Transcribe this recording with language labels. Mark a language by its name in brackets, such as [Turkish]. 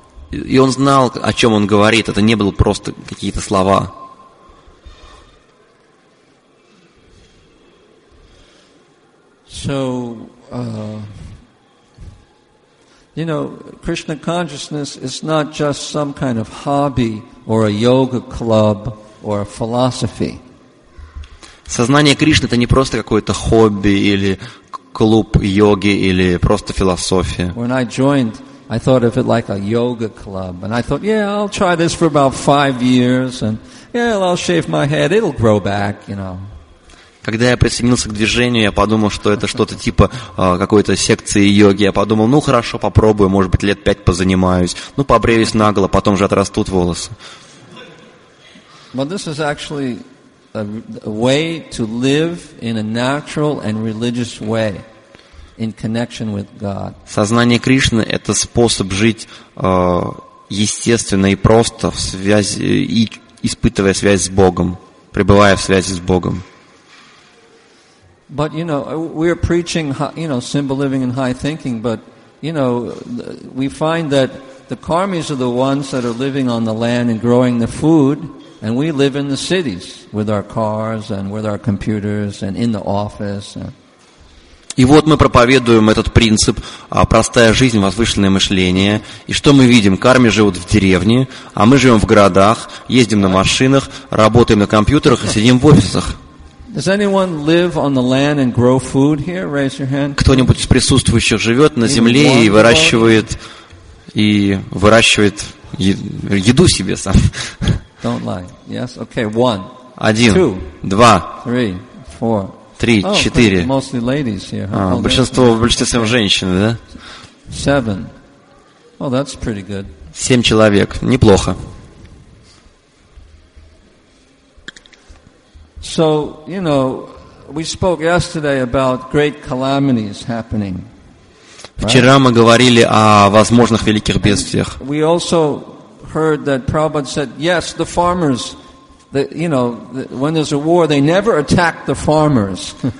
[Russian] И он знал, о чем он говорит. Это не было просто какие-то слова. [English] So, you know, Krishna consciousness is not just some kind of hobby or a yoga club or a philosophy. [Russian] Сознание Кришны — это не просто какое-то хобби или клуб йоги или просто философия. [English] When I joined, I thought of it like a yoga club, and I thought, yeah, I'll try this for about 5 years, and yeah, I'll shave my head, it'll grow back, you know. [Russian] Когда я присоединился к движению, я подумал, что это что-то типа какой-то секции йоги. Я подумал, ну хорошо, попробую, может быть, 5 лет позанимаюсь. Ну, побреюсь наголо, потом же отрастут волосы. [English] Well, this is actually a way to live in a natural and religious way in connection with God. [Russian] Сознание Кришны — это способ жить естественно и просто, в связи, и испытывая связь с Богом, пребывая в связи с Богом. [English] But you know, we're preaching, you know, simple living and high thinking. But you know, we find that the karmis are the ones that are living on the land and growing the food, and we live in the cities with our cars and with our computers and in the office. [Russian] И вот мы проповедуем этот принцип: простая жизнь, возвышенное мышление. И что мы видим? Карми живут в деревне, а мы живем в городах, ездим на машинах, работаем на компьютерах и сидим в офисах. [English] Does anyone live on the land and grow food here? Raise your hand. [Russian] Кто-нибудь из присутствующих живет на земле и выращивает еду себе сам? [English] Don't lie. Yes. Okay. One. [Russian] Один. [English] Two. [Russian] Два. [English] Three. Four. [Russian] Три. Четыре. [English] Oh, mostly ladies here. [Russian] Большинство женщины, да? [English] Seven. Well, that's pretty good. [Russian] 7 человек. Неплохо. [English] So, you know, we spoke yesterday about great calamities happening. [Russian] Вчера мы говорили о возможных великих бедствиях. [English] We also heard that Prabhupada said, yes, the farmers, you know, when there's a war, they never attack the farmers.